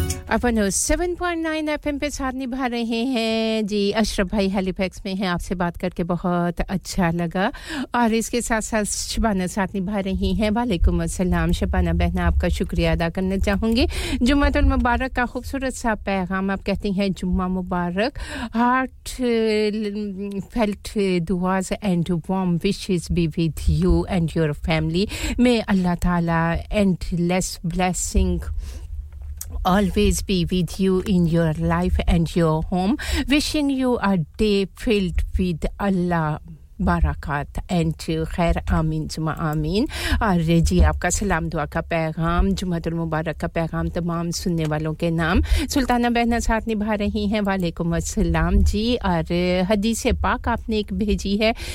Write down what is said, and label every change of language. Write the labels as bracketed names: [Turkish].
[Hindi] अपन 7.9 FM पे साथ निभा रहे हैं जी अशरफ भाई हेलीपैक्स में हैं आपसे बात करके बहुत अच्छा लगा और इसके साथ साथ शबाना साथ निभा रही हैं वालेकुम अस्सलाम शबाना बहन आपका शुक्रिया अदा करना चाहूंगी जुम्मतुल मुबारक का खूबसूरत सा पैगाम आप कहती हैं जुम्मा मुबारक heart [English] Felt दुआज and warm wishes be with you and your family मे अल्लाह ताला endless blessing Always be with you in your life and your home. Wishing you a day filled with Allah. [Hindi] बारकात and खैर आमीन जुमा आमीन और जी आपका सलाम दुआ का पैगाम जुमातुल मुबारक का पैगाम तमाम सुनने वालों के नाम सुल्ताना बहना साथ निभा रही हैं वालेकुम अस्सलाम जी और हदीस पाक आपने एक भेजी है